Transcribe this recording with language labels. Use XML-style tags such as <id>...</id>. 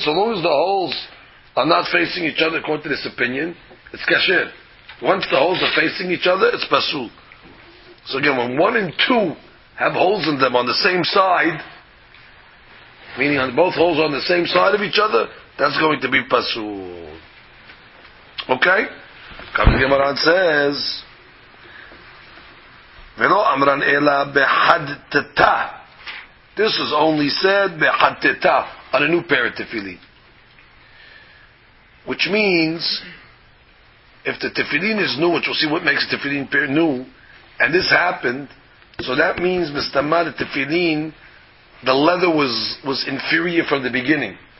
<en>So long as the holes are not facing each other according to this opinion, it's kashir. Once the holes are facing each other, it's pasul. So again, when one and two have holes in them on the same side, meaning both holes are on the same side of each other, that's going to be pasul. Okay? Kavli Gemara says,</en> <arc>ולא אמרן אלא בחדתה.</arc> <en>This was only said בחדתה on a new pair of tefillin. Which means, if the tefillin is new, which we'll see what makes a tefillin pair new, and this happened, so that means מסתמה the tefillin, the leather was inferior from the beginning.</en>